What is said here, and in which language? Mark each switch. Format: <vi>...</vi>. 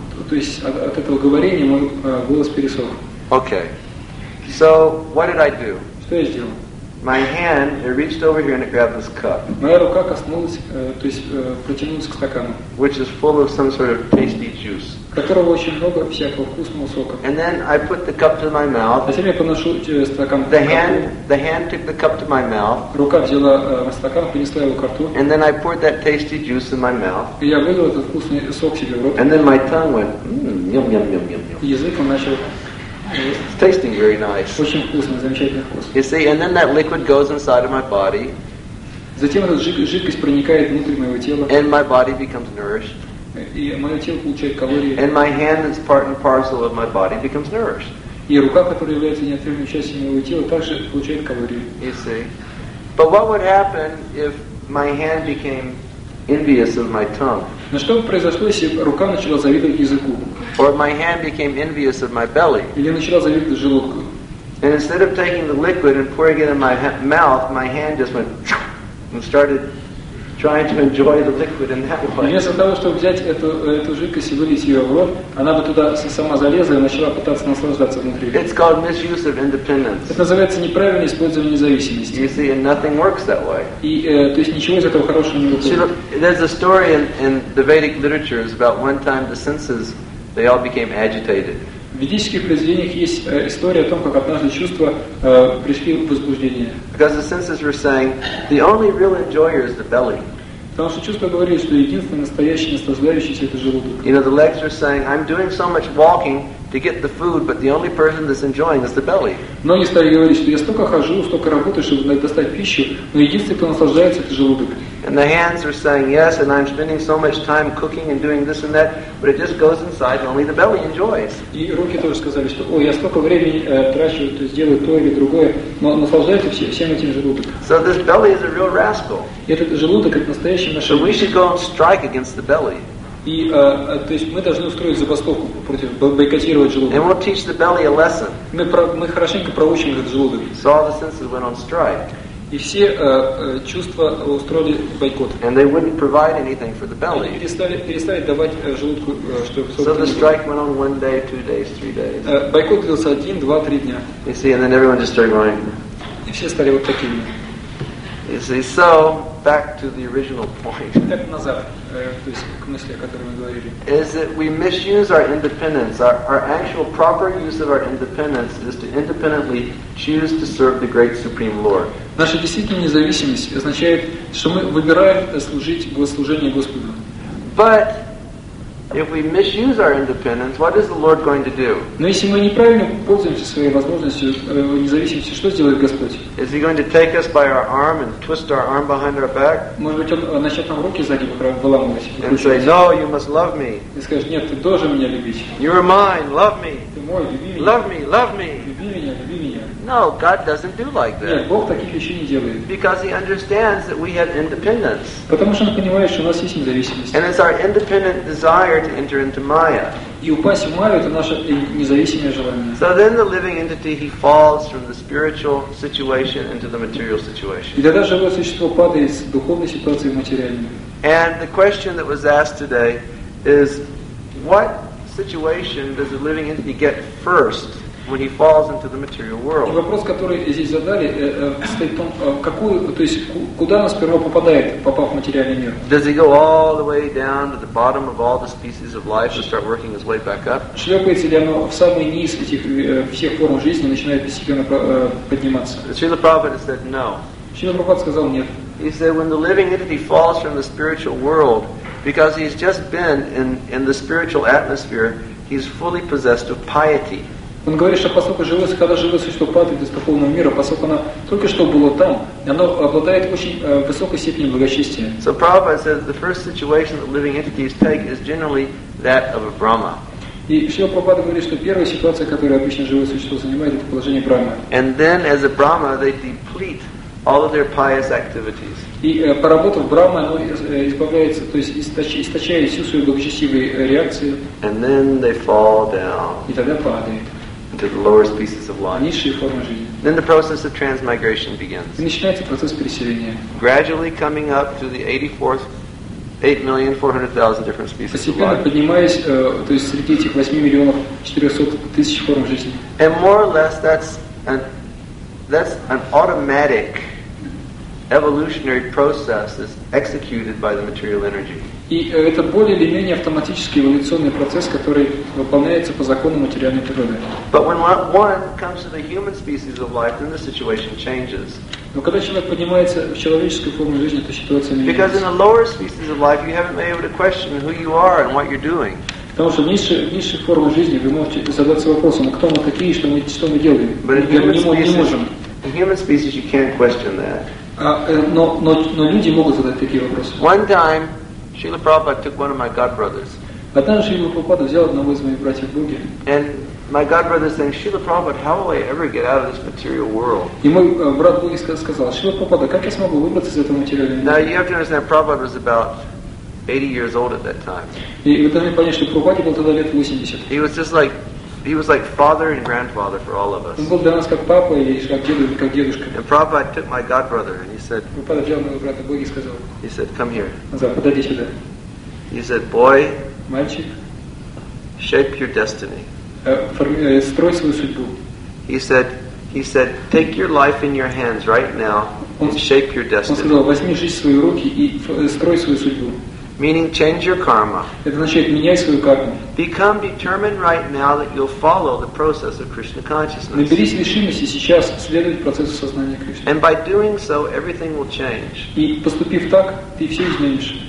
<ru>То есть от этого говорения мой голос пересох.</ru> <en>Okay. So what did I do?</en> <ru>Что я сделал?</ru> <en>My hand, it reached over here and it grabbed this cup.</en> <ru>Моя рука коснулась, то есть протянулась к стакану.</ru> <en>Which is full of some sort of tasty juice.</en> <ru>Которого очень много всякого вкусного сока.</ru> <en>And then I put the cup to my mouth.</en> <ru>Затем я поношу стакан.</ru> <en>The hand took the cup to my mouth.</en> <ru>Рука взяла стакан, принесла его к рту.</ru> <en>And then I poured that tasty juice in my mouth.</en> <ru>И я вылил этот вкусный сок себе в рот.</ru> <en>And then my tongue went, yum yum yum yum yum.</en> <ru>Язык начал.</ru> <en>It's tasting very nice.</en> <ru>Очень вкусно, замечательный вкус.</ru> <en>You see, and then that liquid goes inside of my body.</en> <ru>Затем эта жидкость проникает внутрь моего тела.</ru> <en>And my body becomes nourished.</en> <ru>И мое тело получает калории.</ru> <en>And my hand is part and parcel of my body becomes nourished.</en> <ru>И рука, которая является неотъемлемой частью моего тела, также получает калории.</ru> <en>You see, but what would happen if my hand became envious of my tongue?</en> <ru>Но что бы произошло, если рука начала завидовать языку?</ru> <en>Or my hand became envious of my belly.</en> <ru>Или начала завидовать желудку.</ru> <en>And instead of taking the liquid and pouring it in my mouth, my hand just went and started trying to enjoy the liquid in that way.</en> <ru>Вместо того, чтобы взять эту жидкость и вылить ее в рот, она бы туда сама залезла и начала пытаться наслаждаться внутри.</ru> <en>It's called misuse of independence.</en> <ru>Это называется неправильное использование независимости.</ru> <en>You see, and nothing works that way.</en> <ru>И то есть ничего из этого хорошего не выходит.</ru> <en>There's a story in the Vedic literature about one time the senses they all became agitated.</en> <ru>В ведических произведениях есть история о том, как однажды чувства пришли в возбуждение.</ru> <en>Because the senses were saying, the only real enjoyer is the belly.</en> <ru>Потому что чувства говорили, что единственный настоящий наслаждающийся это желудок.</ru> <en>You know, the legs were saying, I'm doing so much walking to get the food, but the only person that's enjoying is the belly.</en> <ru>Ноги стали говорить, что я столько хожу, столько работаю, чтобы достать пищу, но единственный, кто наслаждается, это желудок.</ru> <en>And the hands are saying, yes, and I'm spending so much time cooking and doing this and that, but it just goes inside, only the belly enjoys.</en> <ru>И руки тоже сказали, что, ой, я столько времени трачу, то есть делаю то или другое, но наслаждается всем этим желудок.</ru> <en>So this belly is a real rascal.</en> <ru>Этот желудок, это настоящий мошенник.</ru> <en>So we should go and strike against the belly.</en> <ru>И, то есть мы должны устроить забастовку против, бойкотировать желудок.</ru> <en>And we'll teach the belly a lesson.</en> <ru>Мы хорошенько проучим этот желудок.</ru> <en>So all the senses went on strike.</en> <ru>И все чувства устроили бойкот.</ru> <en>And they wouldn't provide anything for the belly.</en> <ru>Они перестали давать желудку, чтобы...</ru> <en>So the strike went on one day, two days, three days.</en> <ru>Бойкот длился один, два, три дня.</ru> <en>You see, and then everyone just started going.</en> <ru>И все стали вот такими.</ru> <en>You see, so back to the original point.</en> <ru>Так назад, то есть к мысли, о которой мы говорили.</ru> <en>Is that we misuse our independence. Our actual proper use of our independence is to independently choose to serve the great supreme Lord.</en> <ru>Наша действительная независимость означает, что мы выбираем служить служение Господу.</ru> <en>But if we misuse our independence, what is the Lord going to do?</en> <ru>Но если мы неправильно пользуемся своей возможностью независимости, что сделает Господь?</ru> <en>Is He going to take us by our arm and twist our arm behind our back?</en> <ru>Может быть, Он начнет нам руки сзади выламывать?</ru> <en>And say, No, you must love me.</en> <ru>И скажет, нет, ты должен меня любить.</ru> <en>You are mine, love me.</en> <ru>Ты мой, люби меня.</ru> <en>Love me, love me.</en> <ru>Люби меня, люби меня.</ru> <en>No, God doesn't do like that.</en> <ru>Нет, Бог таких вещей не делает.</ru> <en>Because He understands that we have independence.</en> <ru>Потому что Он понимает, что у нас есть независимость.</ru> <en>And it's our independent desire to enter into Maya.</en> <ru>И упасть в Майю — это наше независимое желание.</ru> <en>So then the living entity, he falls from the spiritual situation into the material situation.</en> <ru>И тогда живое существо падает с духовной ситуации в материальную.</ru> <en>And the question that was asked today is, what situation does the living entity get first? When he falls into the material world.</en> <ru>И вопрос, который здесь задали, стоит в том, куда нас сперва попадает, попав в материальный мир?</ru> <en>Does he go all the way down to the bottom of all the species of life and start working his way back up?</en> <ru>Шлепается ли оно в самый низ этих всех форм жизни, начинает постепенно подниматься?</ru> <en>Шрила Прабхупада said no.</en> <ru>Шрила Прабхупада сказал нет.</ru> <en>He said when the living entity falls from the spiritual world, because he's just been in the spiritual atmosphere, he's fully possessed of piety.</en> <ru>Он говорит, что поскольку живое существо падает из духовного мира, поскольку оно только что было там, и оно обладает очень высокой степенью благочестия.</ru> <en>So Prabhupada says the first situation that living entities take is generally that of a Brahma.</en> <ru>И Шрила Прабхупада говорит, что первая ситуация, которую обычно живое существо занимает, это положение брахмы.</ru> <en>And then, as a brahma, they deplete all of their pious activities.</en> <ru>И поработав брахмы, оно избавляется, то есть источает всю свою благочестивую реакцию.</ru> <en>And then they fall down.</en> <ru>И тогда падает.</ru> <en>Into the lower species of life.</en> <ru>Низшие формы жизни.</ru> <en>Then the process of transmigration begins.</en> <ru>И начинается процесс переселения.</ru> <en>Gradually coming up to the 8,400,000 different species.</en> <ru>Постепенно поднимаясь, то есть среди этих 8,400,000 форм жизни.</ru> <en>And more or less, that's an automatic evolutionary process that's executed by the material energy.</en> <ru>И это более или менее автоматический эволюционный процесс, который выполняется по закону материальной природы.</ru> <en>But when one comes to the human species of life, then the situation changes.</en> <ru>Но когда человек поднимается в человеческую форму жизни, то ситуация меняется.</ru> <en>Because in the lower species of life, you haven't been able to question who you are and what you're doing.</en> <ru>Потому что в низшей форме жизни вы можете задаться вопросом, кто мы такие, что мы делаем.</ru> <en>But</en> <ru>не можем.</ru> <en>In human species, you can't question that.</en> <ru>Но люди могут задать такие вопросы.</ru> <en>One time, Srila Prabhupada took one of my godbrothers.</en> <ru>Однажды Шрила Прабхупада взял одного из моих братьев Буги.</ru> <en>And my godbrother saying, Srila Prabhupada, how will I ever get out of this material world?</en> <ru>И мой брат Буги сказал, Шрила Прабхупада, как я смогу выбраться из этого материального мира?</ru> <en>Now you have to understand, Prabhupada was about 80 years old at that time.</en> <ru>И вы должны понять, что Прабхупаде было тогда лет 80.</ru> <en>He was like father and grandfather for all of us.</en> <ru>Он был для нас как папа или как дедушка, как дедушка.</ru> <en>And Prabhupada took my godbrother and he said.</en> <ru>Прабхупада взял моего брата Буги и сказал.</ru> <en>He said, come here.</en> <ru>Он сказал, подойди сюда.</ru> <en>He said, boy.</en> <ru>Мальчик.</ru> <en>Shape your destiny.</en> <ru>Строй свою судьбу.</ru> <en>He said, take your life in your hands right now and shape your destiny.</en> <ru>Он сказал, возьми жизнь в свои руки и строй свою судьбу.</ru> <en>Meaning, change your karma.</en> <ru>Это значит меняй свою карму.</ru> <en>Become determined right now that you'll follow the process of Krishna consciousness.</en> <ru>Наберись решимости сейчас следовать процессу сознания Кришны.</ru> <en>And by doing so, everything will change.</en> <ru>И поступив так, ты все изменишь.</ru>